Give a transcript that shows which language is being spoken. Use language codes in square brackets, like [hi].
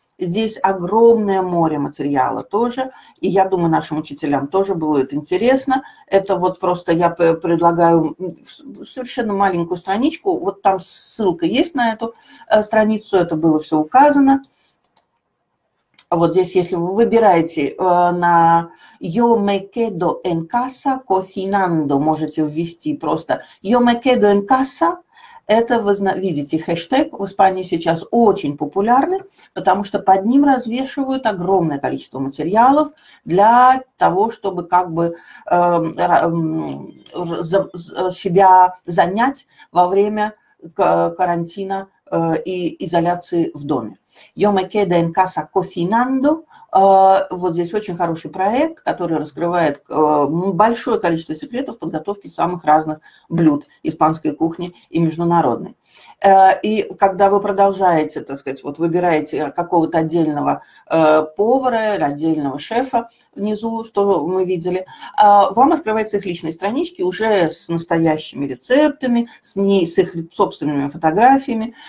[ru] Здесь огромное море материала тоже, и я думаю, нашим учителям тоже будет интересно. Это вот просто я предлагаю совершенно маленькую страничку, вот там ссылка есть на эту страницу, это было все указано. Вот здесь, если вы выбираете на «Yo me quedo en casa cocinando», можете ввести просто «Yo me quedo en casa». Это, вы видите, хэштег в Испании сейчас очень популярный, потому что под ним развешивают огромное количество материалов для того, чтобы как бы себя занять во время карантина и изоляции в доме. [es] «Yo me quedo en casa cocinando». [ru] Вот здесь очень хороший проект, который раскрывает большое количество секретов подготовки самых разных блюд испанской кухни и международной. И когда вы продолжаете, так сказать, вот выбираете какого-то отдельного повара, отдельного шефа внизу, что мы видели, вам открываются их личные странички уже с настоящими рецептами, с их собственными фотографиями.